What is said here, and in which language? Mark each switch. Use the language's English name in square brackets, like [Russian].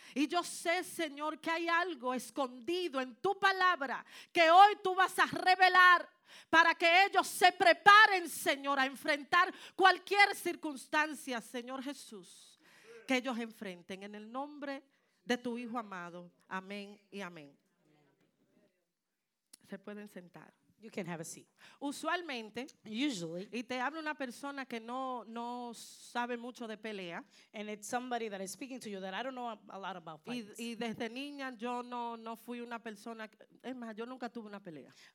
[Spanish] Y yo sé, Señor, que hay algo escondido en tu palabra que hoy tú vas a revelar para que ellos se preparen, Señor, a enfrentar cualquier circunstancia, Señor Jesús, que ellos enfrenten en el nombre de tu Hijo amado. Amén y amén. Se pueden sentar. [English] You can have a seat. [Spanish] Usualmente, [English] usually, [Spanish] y te habla una persona que no sabe mucho de pelea, [English] and it's somebody that is speaking to you that I don't know a lot about fights. [Spanish] Y desde niña yo no fui una persona, es más, yo nunca tuve una pelea.